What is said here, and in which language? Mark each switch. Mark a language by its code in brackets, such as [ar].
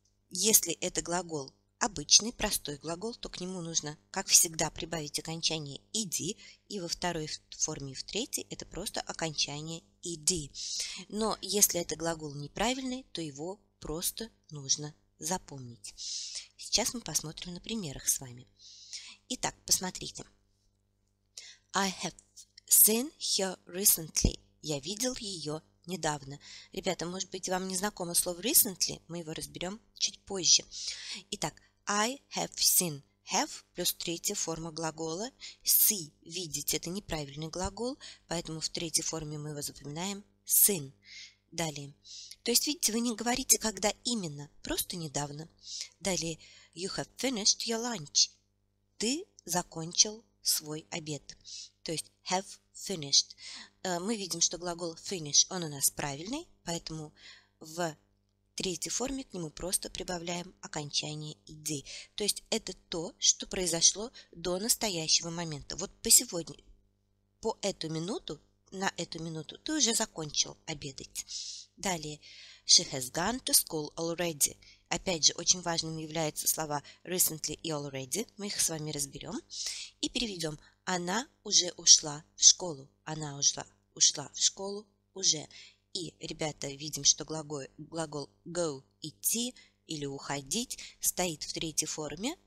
[ru] Если это глагол обычный, простой глагол, то к нему нужно, как всегда, прибавить окончание ed, и во второй форме, и в третьей, это просто окончание ed. Но если это глагол неправильный, то его просто нужно запомнить. Сейчас мы посмотрим на примерах с вами. Итак, посмотрите. [en] I have seen her recently. [ru] Я видел ее недавно. Ребята, может быть, вам не знакомо слово recently? Мы его разберем чуть позже. Итак, [en] I have seen [ru] have плюс третья форма глагола. See – видеть – это неправильный глагол, поэтому в третьей форме мы его запоминаем seen. Далее. То есть, видите, вы не говорите, когда именно, просто недавно. Далее. [en] You have finished your lunch. [ru] Ты закончил свой обед. То есть, have finished. Мы видим, что глагол finish, он у нас правильный, поэтому в третьей форме к нему просто прибавляем окончание ed. То есть, это то, что произошло до настоящего момента. Вот по сегодня, по эту минуту, на эту минуту ты уже закончил обедать. Далее. [en] She has gone to school already. [ru] Опять же, очень важным являются слова recently и already. Мы их с вами разберем. И переведем. Она уже ушла в школу. Она ушла в школу уже. И, ребята, видим, что глагол go – идти или уходить стоит в третьей форме.